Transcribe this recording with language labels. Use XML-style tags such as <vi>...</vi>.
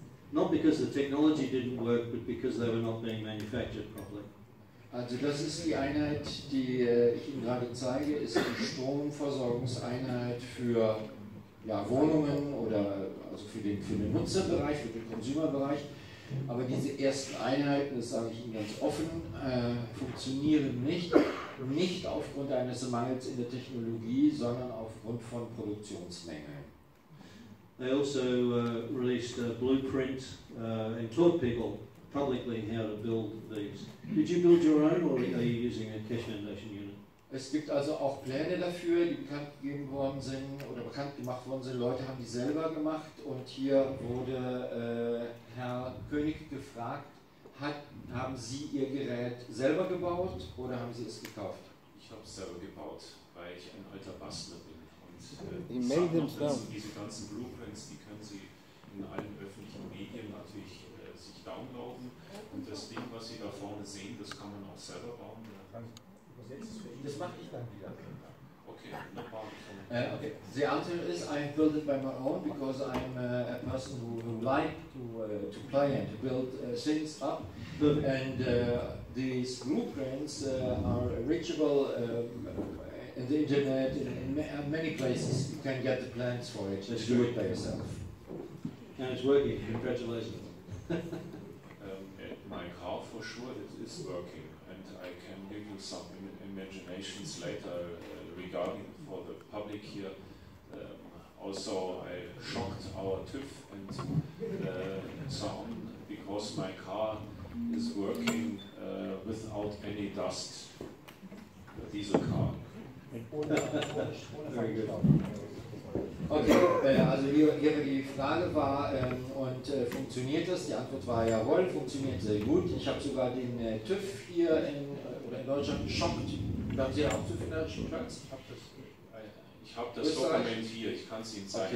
<en>Not because the technology didn't work, but because they were not being manufactured properly.</en> <de>Also das ist die Einheit, die ich Ihnen gerade zeige, ist die Stromversorgungseinheit für ja, Wohnungen oder also für den Nutzerbereich, für den Consumerbereich. Aber diese ersten Einheiten, das sage ich Ihnen ganz offen, funktionieren nicht aufgrund eines Mangels in der Technologie, sondern aufgrund von Produktionsmängeln.</de> <en>They also released a blueprint and taught people publicly how to build these. Did you build your own or are you using a Cash Foundation unit?</en> <de>Es gibt also auch Pläne dafür, die bekannt gegeben worden sind oder bekannt gemacht worden sind. Leute haben die selber gemacht und hier wurde Herr König gefragt, haben Sie Ihr Gerät selber gebaut oder haben Sie es gekauft? Ich habe es selber gebaut, weil ich ein alter Bastler bin. Und diese ganzen Blueprints, die können Sie in allen öffentlichen Medien natürlich sich downloaden. Und das Ding, was Sie da vorne sehen, das kann man auch selber bauen. Ja. Das mache ich dann wieder. Okay.</de> <en>The answer is I built it by my own because I'm a person who like to play and to build things up. And these blueprints are reachable in the internet in many places. You can get the plans for it. Just do it by yourself. And it's working. Congratulations. my car for sure is working. And I can give you some imaginations later regarding for the public here. Also, I shocked our TÜV and so on because my car is working without any dust, a diesel car. Very good.</en> <de>Okay, also hier die Frage war, und funktioniert das? Die Antwort war jawohl, funktioniert sehr gut. Ich habe sogar den TÜV hier in Deutschland geschockt. Haben Sie auch TÜV in Deutschland? Ich habe das Dokument hier, ich kann es Ihnen zeigen.</de>